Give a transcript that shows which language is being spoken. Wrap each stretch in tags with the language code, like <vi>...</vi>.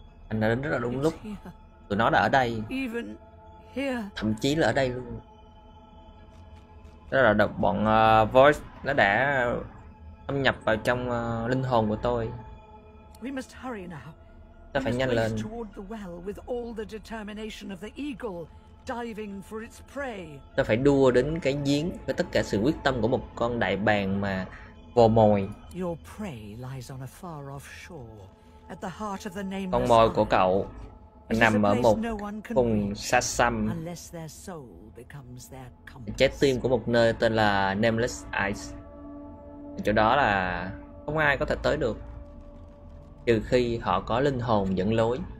<vi>Anh đã đến rất là đúng lúc. Tụi nó đã ở đây.</vi> <en>Even here.</en> <vi>Thậm chí là ở đây luôn. Đó là đợt bọn voice nó đã thâm nhập vào trong linh hồn của tôi.</vi> <en>We must hurry now.</en> <vi>Ta phải nhanh lên.</vi> <en>Toward the well with all the determination of the eagle diving for its prey.</en> <vi>Ta phải đua đến cái giếng với tất cả sự quyết tâm của một con đại bàng mà vô mồi.</vi> <en>Your prey lies on a far off shore at the heart of the nameless.</en> <vi>Con mồi của cậu nằm ở một vùng xa xăm.</vi> <en>Unless their soul becomes their compass.</en> <vi>Trái tim của một nơi tên là Nameless Ice. Chỗ đó là có không ai có thể tới được, trừ khi họ có linh hồn dẫn lối.</vi>